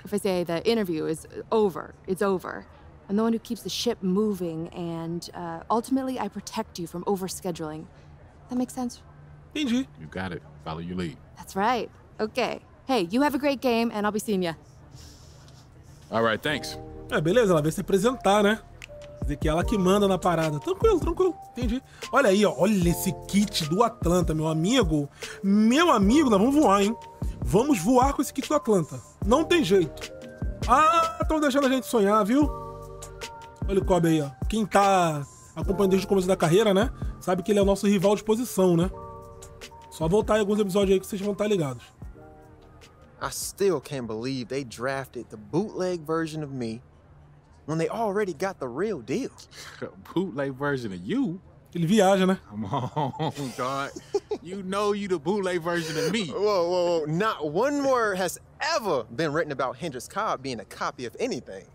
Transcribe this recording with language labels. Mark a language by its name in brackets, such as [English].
[English] If I say the interview is over, it's over. I'm the one who keeps the ship moving and ultimately I protect you from overscheduling. That makes sense? Thank you. You got it. Follow your lead. That's right. Okay. Hey, you have a great game, and I'll be seeing ya. All right, thanks. [Portuguese] É, beleza, ela vai se apresentar, né? Dizer que é ela que manda na parada. Tranquilo, tranquilo, entendi. Olha aí, ó, olha esse kit do Atlanta, meu amigo. Meu amigo, nós vamos voar, hein? Vamos voar com esse kit do Atlanta. Não tem jeito. Ah, estão deixando a gente sonhar, viu? Olha o Kobe aí, ó. Quem tá acompanhando desde o começo da carreira, né? Sabe que ele é o nosso rival de posição, né? Só voltar em alguns episódios aí que vocês vão estar ligados. [English] I still can't believe they drafted the bootleg version of me when they already got the real deal. Bootleg version of you? [Portuguese] Ele viaja, né? [English] Come on, dog. You know you the bootleg version of me. Whoa. Not one word has ever been written about Hendrix Cobb being a copy of anything.